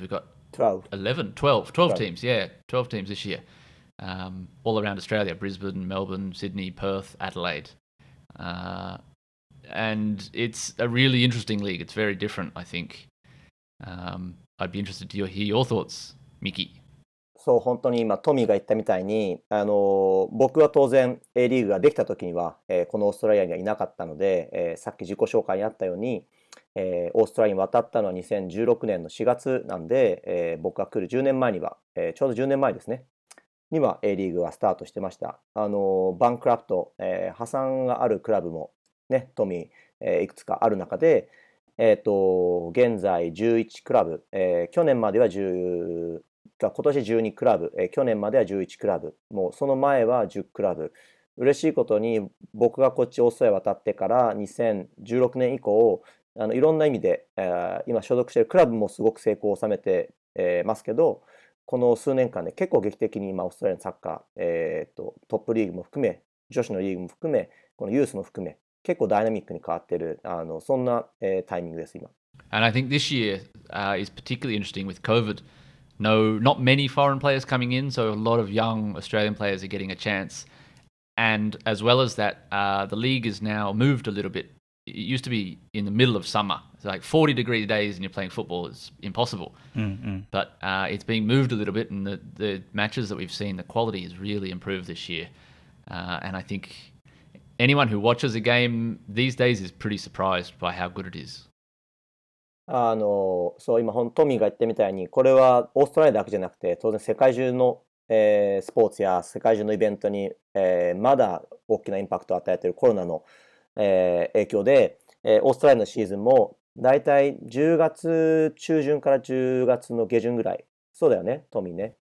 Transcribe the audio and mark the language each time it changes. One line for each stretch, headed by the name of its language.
English: We've got 12 teams, yeah, 12 teams this year, all around Australia, Brisbane, Melbourne, Sydney, Perth, Adelaide. And it's a really interesting league. It's very different, I think. I'd be interested to hear your thoughts, Miki. So
Japanese: そう本当に今トミーが言ったみたいに僕は当然 A リーグができた時には、このオーストラリアにはいなかったので、さっき自己紹介にあったように、オーストラリアに渡ったのは2016年の4月なんで、僕が来る10年前には、ちょうど10年前ですねには A リーグはスタートしてました。バンクラフト、破産があるクラブもね、トミー、いくつかある中で、現在11クラブ、去年までは10、今年12クラブ、去年までは11クラブ、もうその前は10クラブ。嬉しいことに僕がこっちオーストラリア渡ってから2016年以降、いろんな意味で、今所属しているクラブもすごく成功を収めて、ますけど、この数年間で、ね、結構劇的に今オーストラリアのサッカー、トップリーグも含め、女子のリーグも含め、このユースも含め、結構ダイナミックに変わってる、そんな、タイミングです今。
English: And I think this year, is particularly interesting with COVID. No, not many foreign players coming in, so a lot of young Australian players are getting a chance. And as well as that, the league is now moved a little bit. It used to be in the middle of summer. It's like 40 degree days and you're playing football is impossible. Mm-hmm. But it's being moved a little bit and the matches that we've seen, the quality has really improved this year. And I think anyone who watches a game these days is pretty surprised by how good it is.
Japanese: そう、今トミーが言ったみたいに、これはオーストラリアだけじゃなくて、当然世界中の、スポーツや世界中のイベントに、まだ大きなインパクトを与えているコロナの、影響で、オーストラリアのシーズンもだいたい10月中旬から10月の下旬ぐらい、そうだよね、トミーね、